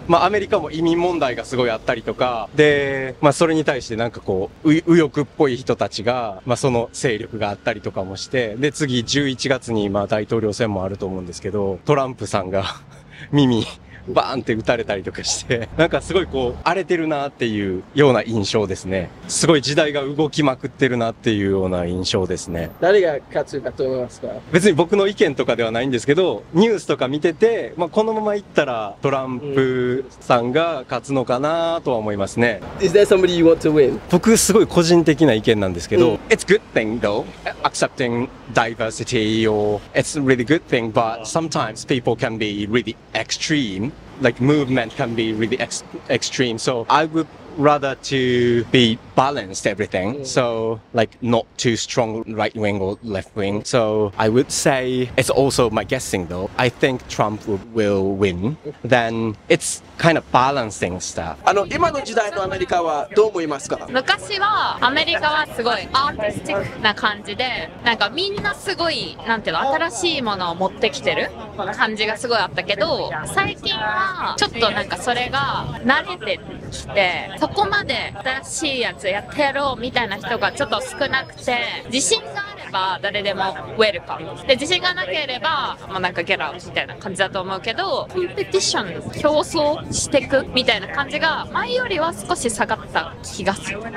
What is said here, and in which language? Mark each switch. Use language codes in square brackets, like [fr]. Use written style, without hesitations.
[ja] まあアメリカも移民問題がすごいあったりとか、で、まあそれに対してなんかこう右翼っぽい人たちが、まあ、その勢力があったりとかもして、で次11月に今大統領選もあると思うんですけど、トランプさんが耳バーンって撃たれたりとかして、なんかすごいこう荒れてるなっていうような印象ですね。すごい時代が動きまくってるなっていうような印象ですね。誰が勝つかと思いますか？別に僕の意見とかではないんですけど、ニュースとか見てて、まあ、このまま行ったらトランプさんが勝つのかなとは思いますね。 [en] Is there somebody you want to win? [ja] 僕すごい個人的な意見なんですけど、 [en] It's good thing though, accepting diversity or it's really good thing, but sometimes people can be really extremeLike movement can be really extreme, so I would rather to be balanced everything, so like not too strong right wing or left wing. So I would say it's also my guessing though, I think Trump will win, then it's kind of balancing stuff. [ja] 今の時代のアメリカはどう思いますか？昔はアメリカはすごいアーティスティックな感じで、なんかみんなすごいなんていうの、新しいものを持ってきてる感じがすごいあったけど、最近はちょっとなんかそれが慣れてきて、そこまで新しいやつやってやろうみたいな人がちょっと少なくて、自信があれば誰でもウェルカムで、自信がなければもうなんかゲラみたいな感じだと思うけど、コンペティション競争していくみたいな感じが前よりは少し下がった気がする。